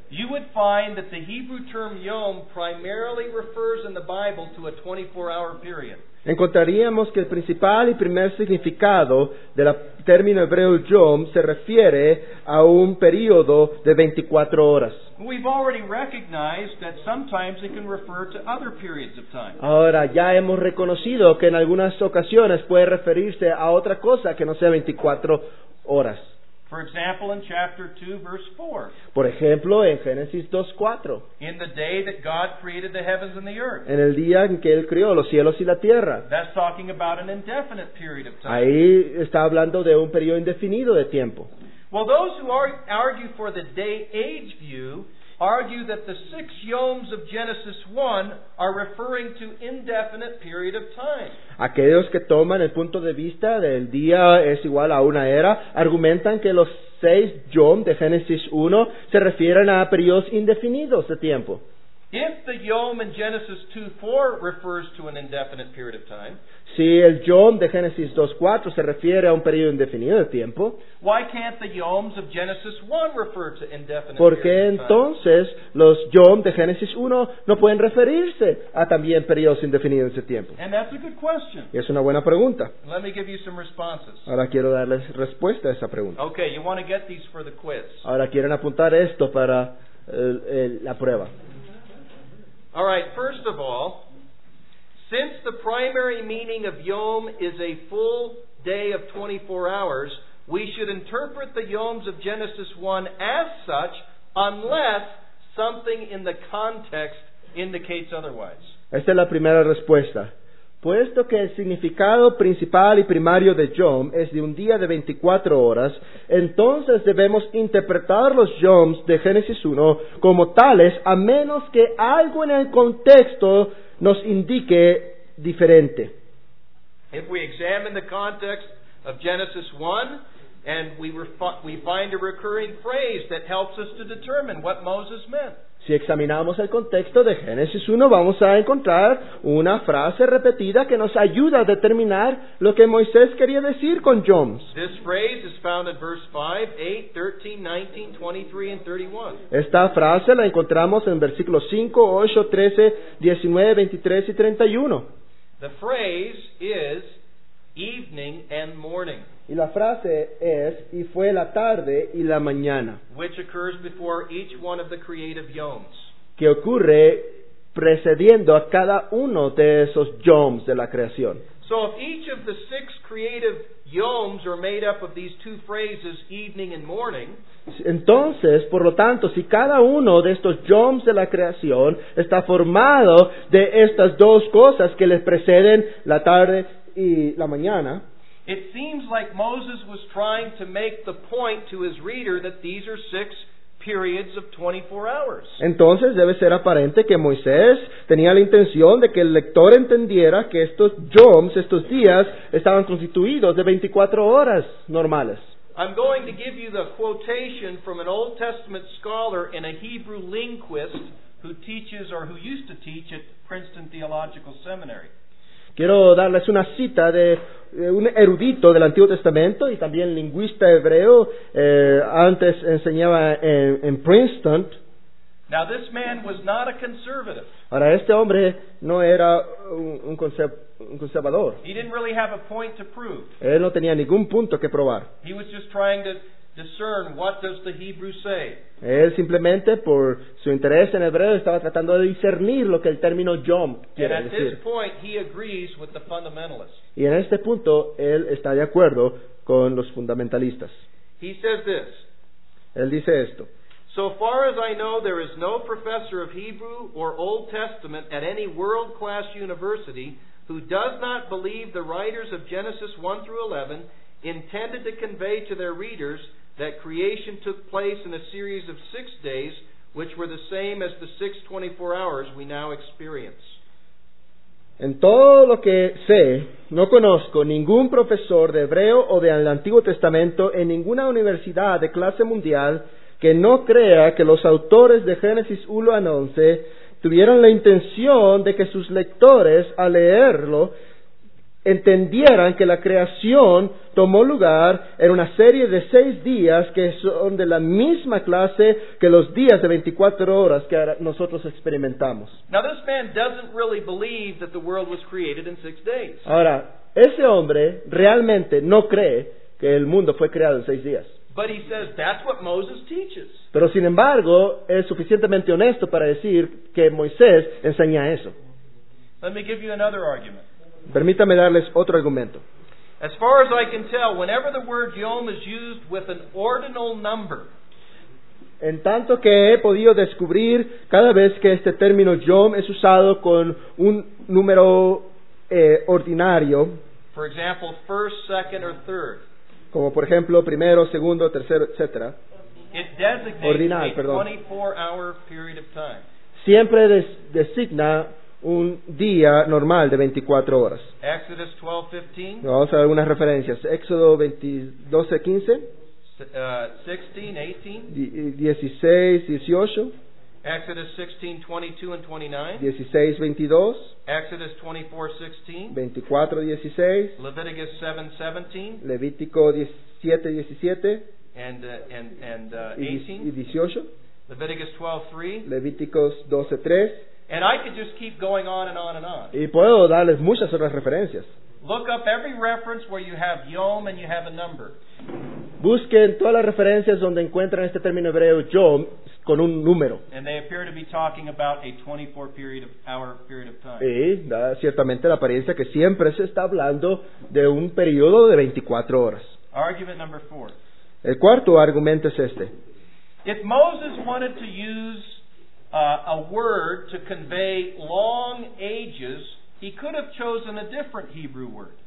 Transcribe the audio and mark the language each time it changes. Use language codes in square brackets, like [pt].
[en] you would find that the Hebrew term yom primarily refers in the Bible to a 24-hour period. [es] Encontraríamos que el principal y primer significado del término hebreo yom se refiere a un período de 24 horas. [en] We've already recognized that sometimes it can refer to other periods of time. [es] Ahora ya hemos reconocido que en algunas ocasiones puede referirse a otra cosa que no sea 24 horas. [en] For example, in chapter 2, verse 4. [es] Por ejemplo, en Génesis 2, 4. [en] In the day that God created the heavens and the earth. [es] En el día en que Él creó los cielos y la tierra. [en] That's talking about an indefinite period of time. [es] Ahí está hablando de un periodo indefinido de tiempo. [en] Well, those who argue for the day-age view argue that the 6 yoms of Genesis 1 are referring to indefinite period of time. [es] Aquellos que toman el punto de vista del día es igual a una era argumentan que los 6 yoms de Génesis 1 se refieren a periodos indefinidos de tiempo. [en] If the yom in Genesis 2:4 refers to an indefinite period of time, [es] si el yom de Génesis 2:4 se refiere a un periodo indefinido de tiempo, [en] why can't the yoms of Genesis 1 refer to indefinite? [es] ¿Por qué entonces los yom de Génesis 1 no pueden referirse a también periodos indefinidos de tiempo? [en] And that's a good question. [es] Y es una buena pregunta. [en] Let me give you some responses. [es] Ahora quiero darles respuesta a esa pregunta. [en] Okay, you want to get these for the quiz. [es] Ahora quieren apuntar esto para la prueba. [en] All right, first of all, since the primary meaning of yom is a full day of 24 hours, we should interpret the yoms of Genesis 1 as such unless something in the context indicates otherwise. [es] Esta es la primera respuesta. Puesto que el significado principal y primario de yom es de un día de 24 horas, entonces debemos interpretar los yoms de Génesis 1 como tales a menos que algo en el contexto nos indique diferente. [en] If we examine the context of Genesis 1, and we find a recurring phrase that helps us to determine what Moses meant. [es] Si examinamos el contexto de Génesis 1, vamos a encontrar una frase repetida que nos ayuda a determinar lo que Moisés quería decir con Joms. [en] This phrase is found in verse 5, 8, 13, 19, 23, and 31. [es] Esta frase la encontramos en versículos 5, 8, 13, 19, 23 y 31. [en] The phrase is evening and morning. [es] Y la frase es, y fue la tarde y la mañana, [en] which occurs before each one of the creative yoms, [es] que ocurre precediendo a cada uno de esos yoms de la creación. [en] So if each of the six creative yoms are made up of these two phrases, evening and morning, [es] entonces, por lo tanto, si cada uno de estos yoms de la creación está formado de estas dos cosas que les preceden, la tarde y la mañana, [en] it seems like Moses was trying to make the point to his reader that these are six periods of 24 hours. [es] Entonces debe ser aparente que Moisés tenía la intención de que el lector entendiera que estos yoms, estos días, estaban constituidos de 24 horas normales. [en] I'm going to give you the quotation from an Old Testament scholar and a Hebrew linguist who teaches or who used to teach at Princeton Theological Seminary. [es] Quiero darles una cita de un erudito del Antiguo Testamento y también lingüista hebreo, antes enseñaba en Princeton. [en] Now, this man was not a conservative. [es] Ahora, este hombre no era un conservador. [en] He didn't really have a point to prove. [es] Él no tenía ningún punto que probar. [en] He was just trying to discern what does the Hebrew say. [es] Él simplemente, por su interés en hebreo, estaba tratando de discernir lo que el término yom quiere decir. [en] And at this point, he agrees with the fundamentalists. [es] Y en este punto, él está de acuerdo con los fundamentalistas. [en] He says this. [es] Él dice esto. [en] So far as I know, there is no professor of Hebrew or Old Testament at any world-class university who does not believe the writers of Genesis 1 through 11 intended to convey to their readers that creation took place in a series of 6 days, which were the same as the six 24 hours we now experience. [es] En todo lo que sé, no conozco ningún profesor de hebreo o del Antiguo Testamento en ninguna universidad de clase mundial que no crea que los autores de Génesis 1 a 11 tuvieron la intención de que sus lectores, al leerlo, entendieran que la creación tomó lugar en una serie de 6 días que son de la misma clase que los días de 24 horas que nosotros experimentamos. [en] Now, this man doesn't really believe that the world was created in 6 days. [es] Ahora, ese hombre realmente no cree que el mundo fue creado en 6 días. [en] But he says that's what Moses teaches. [es] Pero sin embargo, es suficientemente honesto para decir que Moisés enseña eso. [en] Let me give you another argument. [es] Permítame darles otro argumento. [en] As far as I can tell, whenever the word yom is used with an ordinal number, [es] en tanto que he podido descubrir, cada vez que este término yom es usado con un número ordinario, [en] for example, first, second, or third, [es] como por ejemplo primero, segundo, tercero, etc., [en] it designates [es] ordinal, [en] a [es] perdón, [en] 24-hour period of time. [es] Siempre designa un día normal de 24 horas. [en] Exodus 12:15. [es] Vamos a ver algunas referencias. Éxodo 12:15. [en] 16:18. [es] 16:18. [en] Exodus 16:22 and 29. [es] 16:22. [en] Exodus 24:16. [es] 24:16. [en] Leviticus 7:17. [es] Levítico 17:17. [en] And 18. 18. Leviticus 12:3. [es] Levíticos 12:3. [en] And I could just keep going on and on and on. [es] Y puedo darles muchas otras referencias. [en] Look up every reference where you have yom and you have a number. [es] Busquen todas las referencias donde encuentran este término hebreo yom con un número. [en] And they appear to be talking about a 24 period of hour period of time. [es] Y da ciertamente la apariencia que siempre se está hablando de un periodo de 24 horas. [en] Argument number four. [es] El cuarto argumento es este. [en] If Moses wanted to use a word to convey long ages, he could have chosen a different Hebrew word.